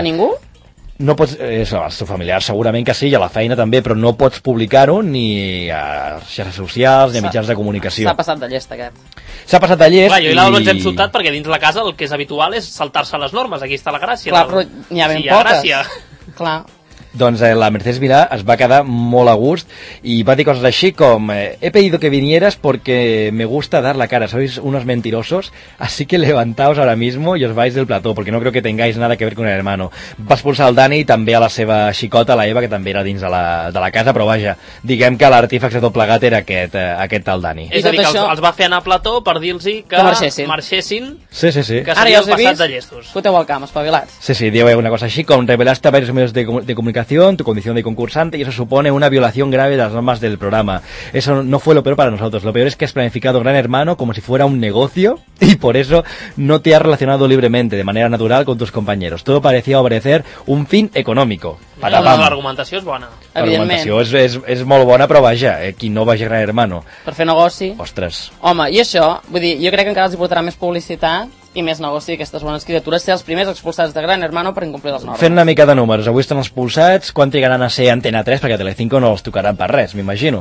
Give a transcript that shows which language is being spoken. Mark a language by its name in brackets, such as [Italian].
[Catalan] A ningú? No pots, els teus familiars segurament que sí, i a la feina també, però no pots publicar-ho ni a xarxes socials ni a mitjans de comunicació. S'ha passat de llest, aquest. S'ha passat de llest. Clar, jo i l'Alba ens hem soltat perquè dins la casa el que és habitual és saltar-se les normes. Aquí està la gràcia. Clar, però n'hi ha ben sí, poques. Sí, clar. Doncs la Mercedes Milà es va quedar molt a gust i va dir coses així com [Spanish] he pedido que vinieras porque me gusta dar la cara, sois unos mentirosos, así que levantaos ahora mismo y os vais del plató, porque no creo que tengáis nada que ver con el hermano. [Catalan] Va expulsar el Dani i també a la seva xicota, la Eva, que també era dins de la casa, però vaja, diguem que l'artífex de tot plegat era aquest tal Dani. És a dir, que els va fer anar a plató per dir-los que marxessin. Sí. Que ara ja us he vist, foteu el camp, espavilats. Sí, dieu una cosa així com [Spanish] revelaste a varios medios de comunicación calificación, tu condición de concursante, y eso supone una violación grave de las normas del programa. Eso no fue lo peor para nosotros. Lo peor es que has planificado Gran Hermano como si fuera un negocio y por eso no te has relacionado libremente, de manera natural, con tus compañeros. Todo parecía obedecer un fin económico. [Catalan] Para no, l'argumentació és bona. Evidentment. L'argumentació és molt bona, però vaja, qui no vagi a Gran Hermano. Per fer negoci. Ostres. Home, i això, vull dir, jo crec que encara els hi portarà més publicitat i més negoci aquestes bones criatures, ser els primers expulsats de Gran Hermano per incomplir les normes. Fent una mica de números, avui estan expulsats, quan trigaran a ser Antena 3, perquè a Telecinco no els tocaran per res, m'imagino.